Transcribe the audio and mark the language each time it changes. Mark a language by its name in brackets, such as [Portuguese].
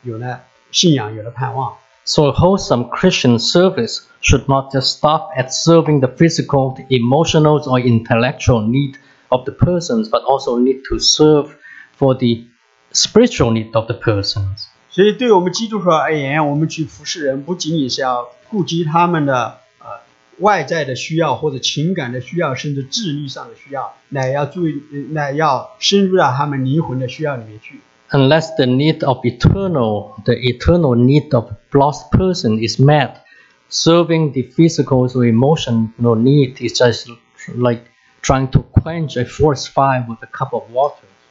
[Chinese] 这个事情就忽然触动了他的心，他就开始去听他的，听他所讲的。后来就回到教会里头去，不是回到天主教堂，而是回到一个基督的教堂里面去。他就开始读圣经，就开始有了信仰，有了盼望。So [English] wholesome Christian service should not just stop at serving the physical, the emotional, or intellectual need of the persons, but also need to serve for the spiritual need of the persons. [Chinese] 所以对我们基督徒而言，我们去服侍人，不仅仅是要顾及他们的外在的需要，或者情感的需要，甚至智力上的需要，乃要注意，乃要深入到他们灵魂的需要里面去。 [English] Unless the eternal need of lost person is met, serving the physical or emotional need is just like trying to quench a forest fire with a cup of water.